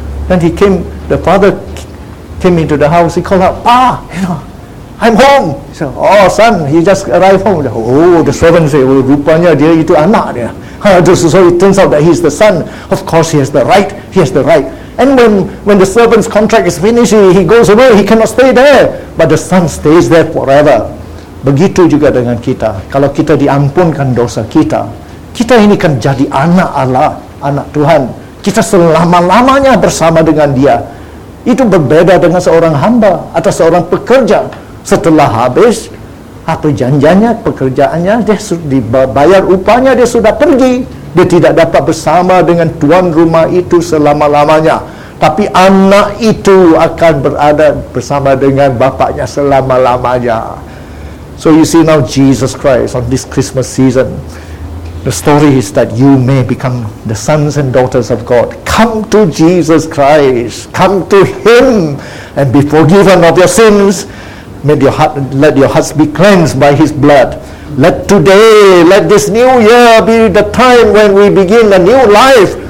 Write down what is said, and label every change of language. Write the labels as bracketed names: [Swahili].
[English] Then he came, the father came into the house, he called out, Pa, you know, I'm home. He said, oh son, he just arrived home. Oh, the servant said, well, [Malay] rupanya dia itu anak dia. [English] So it turns out that he's the son. Of course he has the right. He has the right. And when the servant's contract is finished, he goes away. He cannot stay there. But the son stays there forever. [Malay] Begitu juga dengan kita. Kalau kita diampunkan dosa kita, kita ini kan jadi anak Allah, anak Tuhan. Kita selama-lamanya bersama dengan dia. Itu berbeda dengan seorang hamba atau seorang pekerja. Setelah habis apa janjinya, pekerjaannya, dia dibayar upahnya, dia sudah pergi. Dia tidak dapat bersama dengan tuan rumah itu selama-lamanya. Tapi anak itu akan berada bersama dengan bapaknya selama-lamanya. [English] So you see now Jesus Christ on this Christmas season. The story is that you may become the sons and daughters of God. Come to Jesus Christ. Come to him and be forgiven of your sins. Let your hearts be cleansed by his blood. Let today, let this new year be the time when we begin a new life.